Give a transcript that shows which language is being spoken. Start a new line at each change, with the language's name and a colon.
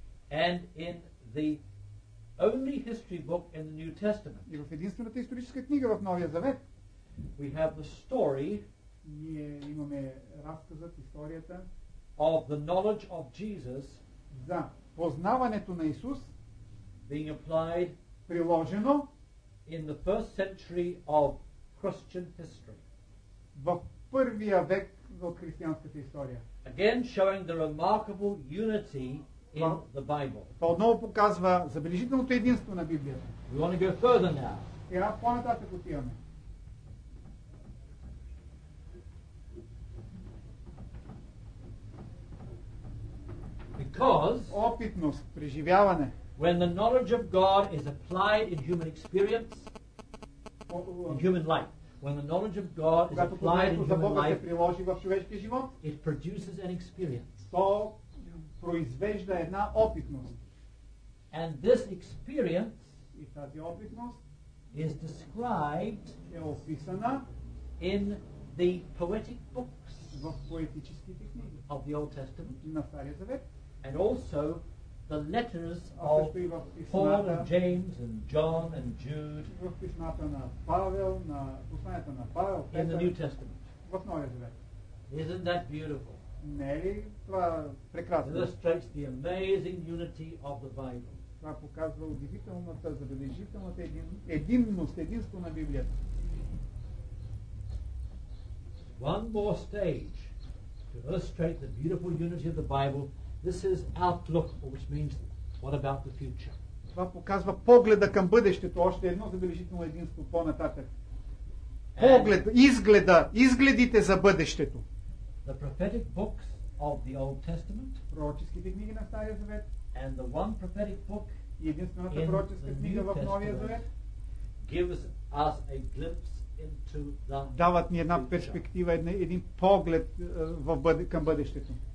English: And in the only history book in the New Testament.
Bulgarian: И в единствената историческа книга в Новия Завет.
English: We have the story.
Bulgarian: Ние имаме разказът, историята.
English: Of the knowledge of Jesus.
Bulgarian: За познаването на Исус.
English: Being applied.
Bulgarian: Приложено.
English: In the first century of Christian history.
Bulgarian: В първия век в християнската история.
English: Again showing the remarkable unity in the Bible.
Bulgarian: Това отново показва забележителното единство на Библията.
English: We want to go further now.
Bulgarian: И аз по-нататък отиваме.
English: Because
Bulgarian: опитност, преживяване.
English: When the knowledge of God is applied in human experience, in human life. When the knowledge of God is applied in human life,
Bulgarian: приложи в човешкия живот,
English: it produces an experience.
Bulgarian: То произвежда една опитност.
English: And this experience,
Bulgarian: и тази опитност,
English: is described,
Bulgarian: е описана,
English: in the poetic books,
Bulgarian: в поетическите книги,
English: of the Old Testament,
Bulgarian: на Стария Завет,
English: and also the letters of Paul and James and John and Jude,
Bulgarian: в писмата на Павел, на посланията на Павел,
English: in the New Testament,
Bulgarian: в Новия Завет.
English: Isn't that beautiful?
Bulgarian: Не е ли това прекрасно?
English: Illustrates the amazing unity of the Bible.
Bulgarian: Това показва удивителната, забележителната единност, единство на Библията.
English: One more stage to illustrate the beautiful unity of the Bible. This is outlook, which means what about the future?
Bulgarian: Това показва погледа към бъдещето, още едно забележително единство по-нататък. Поглед, изгледа, изгледите за бъдещето.
English: The prophetic books of the Old Testament,
Bulgarian: пророческите книги на Стария Завет,
English: and the one prophetic book,
Bulgarian: единствената пророческа книга в Новия Завет,
English: gives us a glimpse into the future.
Bulgarian: Дават ни една перспектива, един поглед в към бъдещето.